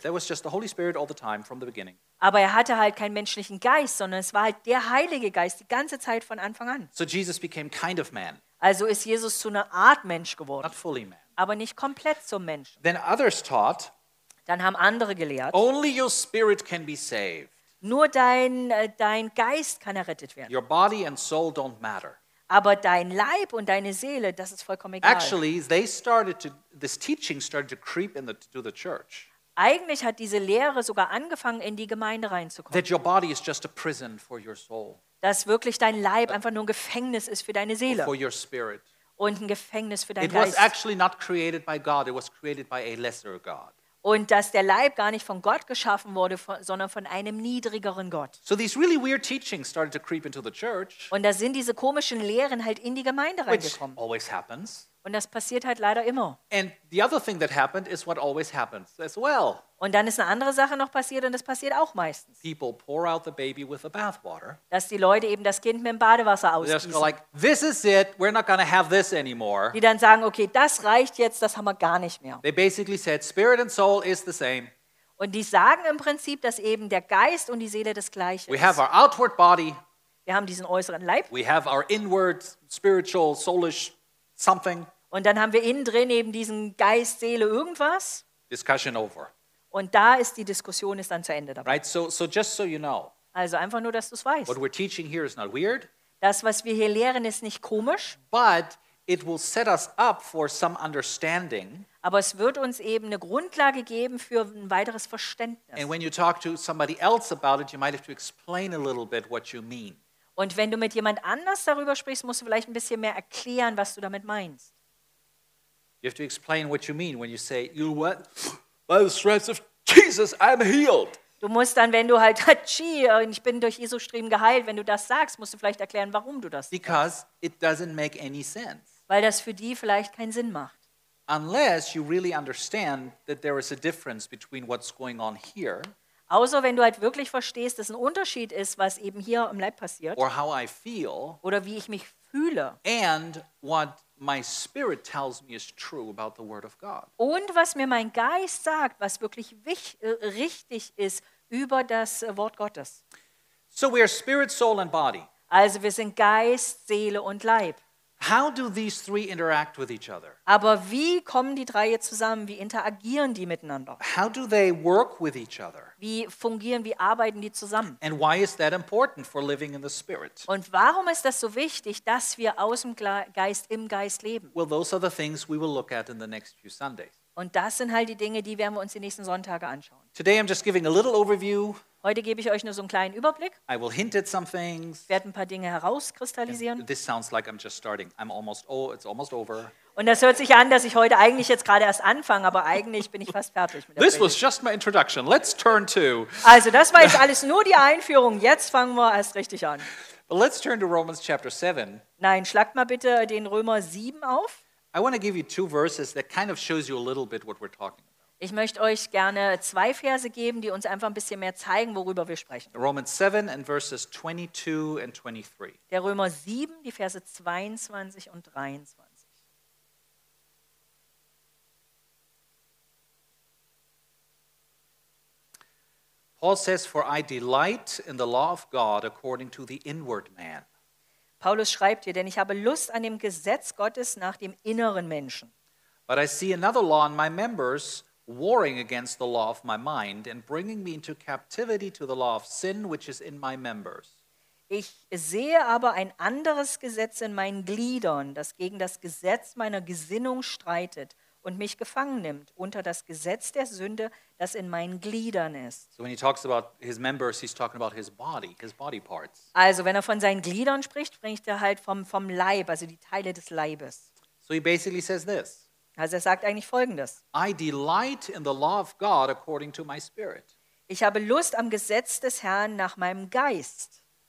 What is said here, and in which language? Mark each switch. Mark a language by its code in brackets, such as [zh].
[en] There was just the Holy Spirit all the time from the beginning. [de] Aber er hatte halt keinen menschlichen Geist, sondern es war halt der Heilige Geist die ganze Zeit von Anfang an. [en] So Jesus became kind of man. [de] Also ist Jesus zu einer Art Mensch geworden. [en] Not fully man. [de] Aber nicht komplett zum Mensch. [en] Then others taught. [de] Dann haben andere gelehrt. [en] Only your spirit can be saved. [de] Nur dein Geist kann errettet werden. [en] Your body and soul don't matter. [de] Aber dein Leib und deine Seele, das ist vollkommen egal. [en] Actually, they started to, this teaching started to creep into the church. [de] Eigentlich hat diese Lehre sogar angefangen, in die Gemeinde reinzukommen. [en] That your body is just a prison for your soul. [de] Dass wirklich dein Leib einfach nur ein Gefängnis ist für deine Seele. [en] For your spirit. [de] Und ein Gefängnis für dein [en] It [de] Geist. [en] It was actually not created by God. It was created by a lesser God. [de] Und dass der Leib gar nicht von Gott geschaffen wurde, sondern von einem niedrigeren Gott. [en] So these really weird teachings started to creep into the church. [de] Und da sind diese komischen Lehren halt in die Gemeinde reingekommen. [en] Which always happens. [de] Und das passiert halt leider immer. [en] And the other thing that happened is what always happens as well. [de] Und dann ist eine andere Sache noch passiert und das passiert auch meistens. [en] People pour out the baby with the bathwater. [de] Dass die Leute eben das Kind mit dem Badewasser ausgießen. [en] They're like, this is it, we're not going to have this anymore. [de] Die dann sagen, okay, das reicht jetzt, das haben wir gar nicht mehr. [en] They basically said, spirit and soul is the same. [de] Und die sagen im Prinzip, dass eben der Geist und die Seele das gleiche ist. [en] We have our outward body. [de] Wir haben diesen äußeren Leib. [en] We have our inward spiritual soulish something. [de] Und dann haben wir innen drin eben diesen Geist, Seele, irgendwas. [en] Discussion over. [de] Und da ist die Diskussion ist dann zu Ende dabei. [en] Right, so just so you know. [de] Also einfach nur, dass du es weißt. [en] What we're teaching here is not weird. [de] Das, was wir hier lehren, ist nicht komisch. [en] But it will set us up for some understanding. [de] Aber es wird uns eben eine Grundlage geben für ein weiteres Verständnis. [en] And when you talk to somebody else about it, you might have to explain a little bit what you mean. [de] Und wenn du mit jemand anders darüber sprichst, musst du vielleicht ein bisschen mehr erklären, was du damit meinst. [en] You have to explain what you mean when you say, you know what? By the stripes of Jesus, I'm healed. [de] Du musst dann, wenn du halt, ich bin durch Jesus Striemen geheilt, wenn du das sagst, musst du vielleicht erklären, warum du das sagst. [en] Because it doesn't make any sense. [de] Weil das für die vielleicht keinen Sinn macht. [en] Unless you really understand that there is a difference between what's going on here. [de] Außer wenn du halt wirklich verstehst, dass ein Unterschied ist, was eben hier im Leib passiert. [en] Or how I feel. [de] Oder wie ich mich fühle. [en] And what my spirit tells me is true about the word of God. [de] Und was mir mein Geist sagt, was wirklich richtig ist über das Wort Gottes. [en] So we are spirit, soul and body. [de] Also wir sind Geist, Seele und Leib. [en] How do these three interact with each other? [de] Aber wie kommen die drei jetzt zusammen? Wie interagieren die miteinander? [en] How do they work with each other? [de] Wie fungieren, wie arbeiten die zusammen? [en] And why is that important for living in the Spirit? [de] Und warum ist das so wichtig, dass wir aus dem Geist im Geist leben? [en] Well, those are the things we will look at in the next few Sundays. [de] Und das sind halt die Dinge, die werden wir uns die nächsten Sonntage anschauen. [en] Today I'm just giving a little overview. [de] Heute gebe ich euch nur so einen kleinen Überblick. [en] I will hint at some things. [de] Ich werde ein paar Dinge herauskristallisieren. [en] This sounds like I'm just starting. I'm almost, oh, it's almost over. [de] Und das hört sich an, dass ich heute eigentlich jetzt gerade erst anfange, aber eigentlich bin ich fast fertig mit der [en] This was just my introduction. Let's turn to. [de] Also, das war jetzt alles nur die Einführung. Jetzt fangen wir erst richtig an. [en] But let's turn to Romans chapter 7. [de] Nein, schlagt mal bitte den Römer 7 auf. [en] I want to give you two verses that kind of shows you a little bit what we're talking about. [de] Ich möchte euch gerne zwei Verse geben, die uns einfach ein bisschen mehr zeigen, worüber wir sprechen. [en] Romans 7 and verses 22 and 23. [de] Der Römer 7, die Verse 22 und 23. [en] Paul says, for I delight in the law of God according to the inward man. [de] Paulus schreibt hier, denn ich habe Lust an dem Gesetz Gottes nach dem inneren Menschen. [en] But I see another law in my members, warring against the law of my mind and bringing me into captivity to the law of sin, which is in my members. [de] Ich sehe aber ein anderes Gesetz in meinen Gliedern, das gegen das Gesetz meiner Gesinnung streitet und mich gefangen nimmt unter das Gesetz der Sünde, das in meinen Gliedern ist. [en] So when he talks about his members, he's talking about his body parts. [de] Also wenn er von seinen Gliedern spricht, spricht er halt vom Leib, also die Teile des Leibes. [en] So he basically says this. [de] Also er sagt eigentlich Folgendes. [en] I delight in the law of God according to my spirit. [de] Ich habe Lust am Gesetz des Herrn nach meinem Geist.